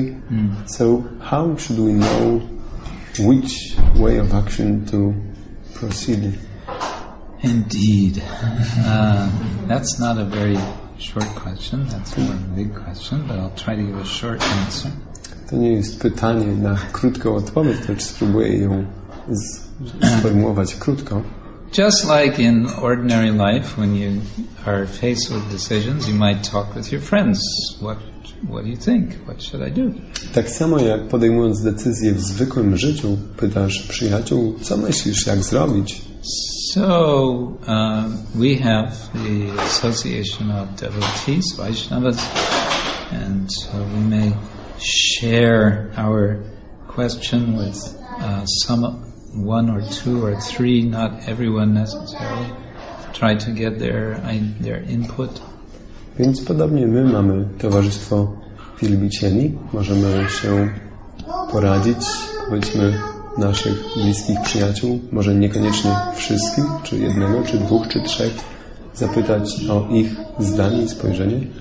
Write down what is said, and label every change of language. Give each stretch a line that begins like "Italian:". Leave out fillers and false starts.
English: Mm. So how should we know which way of action to proceed? Indeed. That's not a very short question. That's more of a big question, but I'll try to give a short answer.
Polish: To nie jest pytanie na krótką odpowiedź, lecz spróbuję ją sformułować krótko.
English: Just like in ordinary life, when you are faced with decisions, you might talk with your friends. What do you think? What should I do?
Polish: Tak samo jak podejmując decyzję w zwykłym życiu, pytasz przyjaciół, co myślisz, jak zrobić?
English: So, we have the association of devotees, Vaishnavas, and so we may share our question with some, one or two or three, not everyone necessarily. try to get their input.
Polish: Więc podobnie my mamy towarzystwo wielbicieli, możemy się poradzić, powiedzmy, naszych bliskich przyjaciół, może niekoniecznie wszystkich, czy jednego, czy dwóch, czy trzech, zapytać o ich zdanie i spojrzenie.